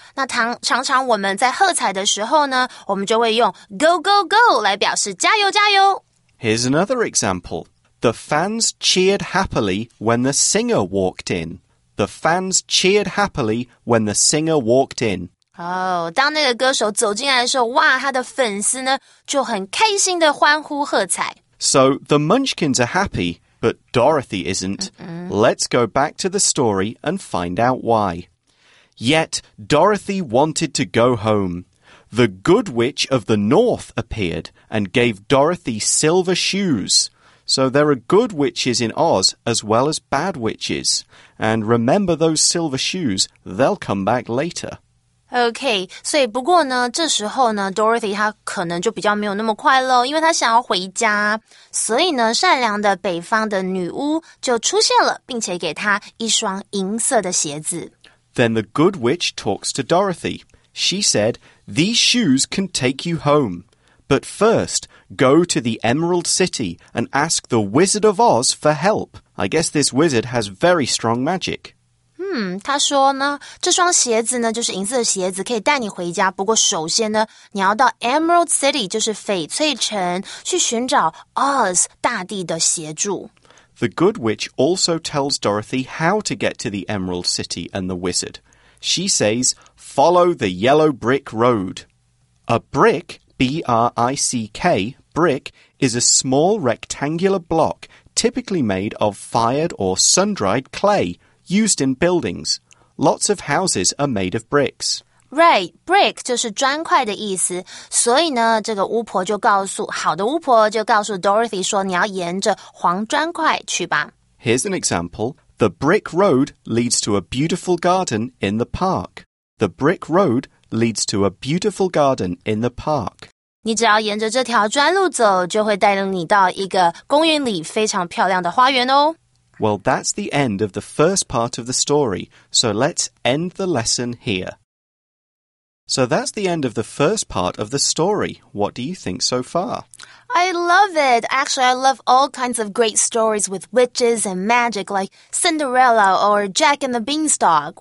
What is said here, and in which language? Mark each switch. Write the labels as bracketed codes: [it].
[zh] 那常常我们在喝彩的时候呢，我们就会用 go, go, go 来表示加油加油。 [en] Here's another example. The The fans cheered happily when the singer walked in. The fans cheered happily when the singer walked in. [zh] 哦、oh, 当那个歌手走进来的时候哇他的粉丝呢就很开心的欢呼喝彩。 [en] So the Munchkins are happy, but Dorothy isn't.、Mm-hmm. Let's go back to the story and find out why. Yet Dorothy wanted to go home. The Good Witch of the North appeared and gave Dorothy silver shoes. So there are good witches in Oz as well as bad witches. And remember those silver shoes, they'll come back later. [zh] Okay, 所以不过呢这时候呢 Dorothy 她可能就比较没有那么快乐因为她想要回家。所以呢善良的北方的女巫就出现了并且给她一双银色的鞋子。 [en] Then the Good Witch talks to Dorothy. She said, these shoes can take you home. But first, go to the Emerald City and ask the Wizard of Oz for help. I guess this wizard has very strong magic. [zh] 他说呢，这双鞋子呢，就是银色的鞋子，可以带你回家。不过首先呢，你要到 Emerald City, 就是翡翠城，去寻找 Oz 大地的协助。 [en] The Good Witch also tells Dorothy how to get to the Emerald City and the Wizard. She says, follow the yellow brick road. A brick, B-R-I-C-K, brick, is a small rectangular block typically made of fired or sun-dried clay used in buildings. Lots of houses are made of bricks. [zh] Right, brick 就是砖块的意思。所以呢，这个巫婆就告诉，好的巫婆就告诉 Dorothy 说，你要沿着黄砖块去吧。 [en] Here's an example. The brick road leads to a beautiful garden in the park. The brick road leads to a beautiful garden in the park. [zh] 你只要沿着这条砖路走，就会带领你到一个公园里非常漂亮的花园哦。 [en] Well, that's the end of the first part of the story. So let's end the lesson here. So that's the end of the first part of the story. What do you think so far? I love it. Actually, I love all kinds of great stories with witches and magic, like Cinderella or Jack and the Beanstalk.